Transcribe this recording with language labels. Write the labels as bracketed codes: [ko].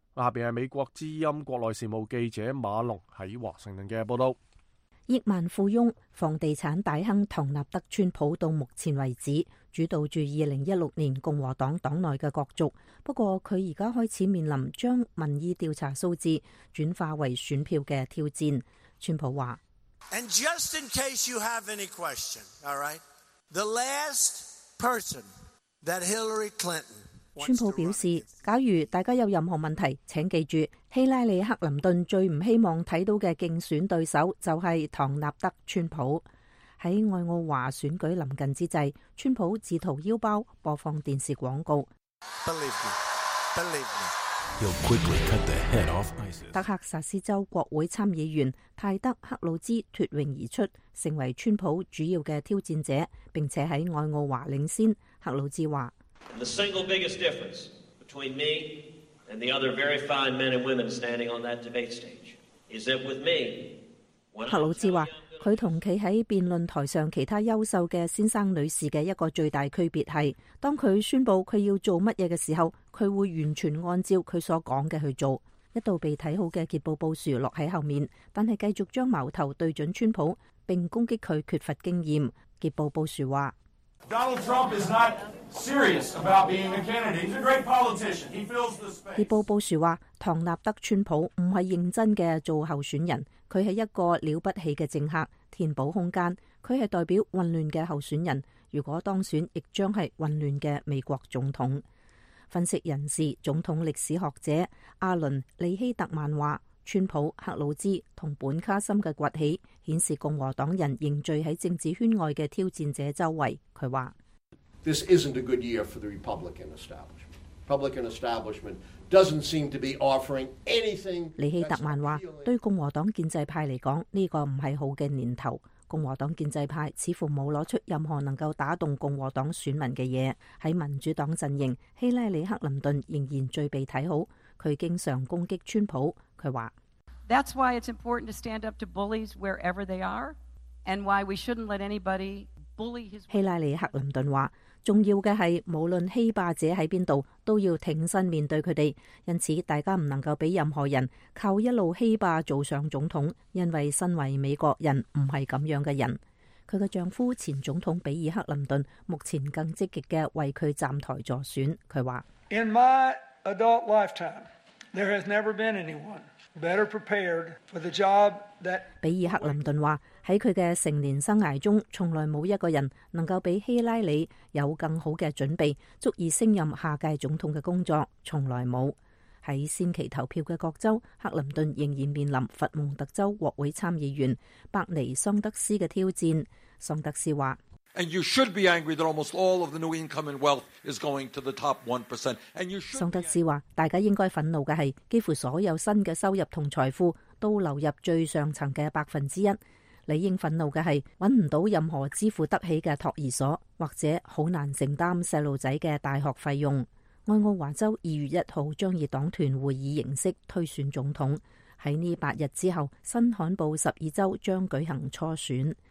[zh] 下面是美国之音国内事务记者马龙在华盛顿的报道。亿万富翁、房地产大亨唐纳德川普到目前为止主导住2016年共和党党内的角逐，不过他现在开始面临将民意调查数字转化为选票的挑战。川普说， [en] And just in case you have any question, all right, the last person that Hillary Clinton [zh] 川普表示，假如大家有任何问题，请记住希拉里·克林顿最不希望看到的竞选对手就是唐纳德·川普。在爱奥华选举临近之际，川普自掏腰包播放电视广告。 [en] Believe me, believe me. You'll quickly cut the head off ISIS. [zh] 德克萨斯州国会参议员泰德·克鲁兹脱颖而出，成为川普主要的挑战者，并且在爱奥华领先。克鲁兹说， [en] The single biggest difference between me and the other very fine men and women standing on that debate stage is that with me, when [zh] 克鲁兹说，他同企在辩论台上其他优秀的先生女士的一个最大区别是，当他宣布他要做什么的时候，他会完全按照他所讲的去做。一度被看好的杰布布殊落在后面，但是继续将矛头对准川普，并攻击他缺乏经验。杰布布殊说， [en] Donald Trump is not serious about being a candidate. He's a great politician. He fills the space. [zh] 杰布布殊说，唐纳德川普不是认真的做候选人，他是一个了不起的政客，填补空间，他是代表混乱的候选人，如果当选亦将是混乱的美国总统。分析人士、总统历史学者阿伦·利希特曼说，川普、克鲁兹和本卡森的崛起，显示共和党人仍聚在政治圈外的挑战者周围。他说 [en] This isn't a good year for the Republican establishment. Republican establishment doesn't seem to be offering anything. [zh] 李希特曼说，对共和党建制派来说，这个不是好的年头。共和党建制派似乎没有拿出任何能够打动共和党选民的东西。在民主党阵营，希拉里·克林顿仍然最被看好，他经常攻击川普。他说 [en] That's why it's important to stand up to bullies wherever they are, and why we shouldn't let anybody bully his. [zh] 希拉里·克林顿说，重要的是无论欺霸者在哪里都要挺身面对他们，因此大家不能够被任何人靠一路欺霸做上总统，因为身为美国人不是这样的人。他的丈夫前总统比尔·克林顿目前更积极地为他站台助选。他说 [en] In my adult lifetime, there has never been anyone better prepared for the job that [zh] 比尔·克林顿说，在他的成年生涯中，从来没有一个人能够比希拉里有更好的准备，足以升任下届总统的工作，从来没有。在先期投票的各州，克林顿仍然面临佛蒙特州国会参议员伯尼·桑德斯的挑战。桑德斯说 [en] And you should be angry that almost all of the new income and wealth is going to the top 1%. [zh] 桑德斯说，大家应该愤怒的是，几乎所有新的收入和财富都流入最上层的1%。理应愤怒的是，找不到任何支付得起的托儿所，或者很难承担小孩子的大学费用。爱奥华州2月1日将以党团会议形式推选总统，在这8日之后，新罕布12州将举行初选。